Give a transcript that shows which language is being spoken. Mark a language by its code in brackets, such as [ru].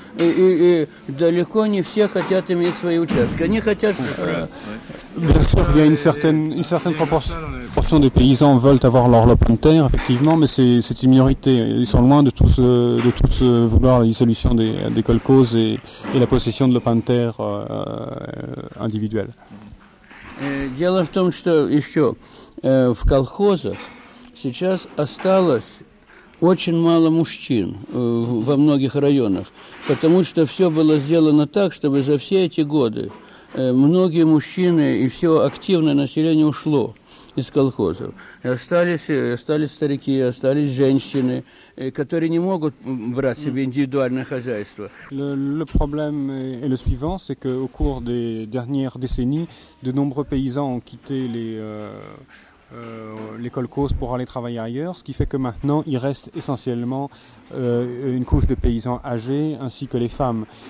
[ru] И далеко не все хотят иметь свои участки. Они хотят. [fr] Bien sûr, il y a une certaine proportion des paysans veulent avoir leur lopin de terre, effectivement, mais c'est une minorité. Ils sont loin de tous vouloir la dissolution des Kolkhoz et la possession de lopin de terre individuelle. [ru] Дело в том, что еще в колхозах сейчас осталось очень мало мужчин во многих районах, потому что все было сделано так, чтобы за все эти годы многие мужчины и все активное население ушло из колхозов. И остались старики, остались женщины, которые не могут брать себе индивидуальное хозяйство. [fr] Le problème est le suivant, c'est qu'au cours des dernières décennies, de nombreux paysans ont quitté les colcos pour aller travailler ailleurs, ce qui fait que maintenant il reste essentiellement une couche de paysans âgés ainsi que les femmes.